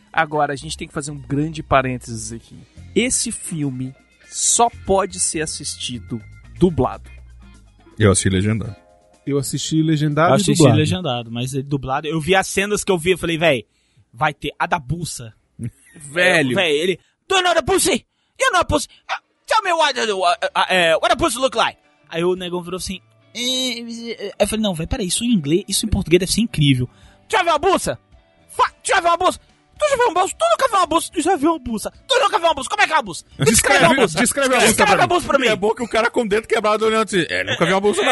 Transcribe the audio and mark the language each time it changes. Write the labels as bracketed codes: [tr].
[pt] Agora, a gente tem que fazer um grande parênteses aqui. Esse filme só pode ser assistido dublado. Eu assisti legendado. Eu assisti legendado e dublado. Eu assisti legendado, mas dublado. Eu vi as cenas que eu vi e falei, velho, vai ter a da Bussa. Velho. Velho, ele... [en] Do you know the pussy? You know the pussy? Tell me what a pussy look like. [pt] Aí o negão virou assim. Eu falei, não, velho, peraí, isso em inglês, isso em português deve ser incrível. Tu já viu uma bussa? Tu já viu uma bussa? Tu já viu uma bussa? Tu nunca viu uma bussa? Tu já viu uma bussa? Tu nunca viu uma bussa? Como é que é uma bussa? Descreve uma bussa. Descreve uma bussa. Descreve a bussa pra mim. É bom que o cara com o dedo quebrado olhando assim. É, nunca viu uma bussa, não.